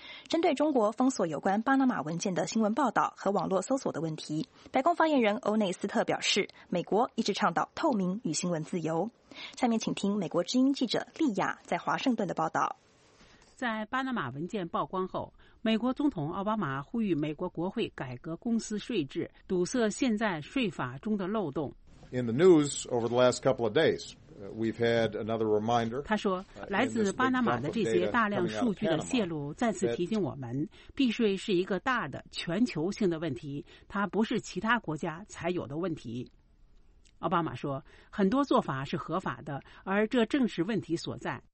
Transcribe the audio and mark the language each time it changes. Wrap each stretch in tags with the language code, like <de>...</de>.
<zh>针对中国封锁有关巴拿马文件的新闻报道和网络搜索的问题，白宫发言人欧内斯特表示，美国一直倡导透明与新闻自由。下面请听美国之音记者莉亚在华盛顿的报道。在巴拿马文件曝光后，美国总统奥巴马呼吁美国国会改革公司税制，堵塞现在税法中的漏洞。</zh> <en>In the news over the last couple of days, we've had another reminder.</en> <zh>他说，来自巴拿马的这些大量数据的泄露再次提醒我们，避税是一个大的全球性的问题，它不是其他国家才有的问题。奥巴马说，很多做法是合法的，而这正是问题所在。</zh>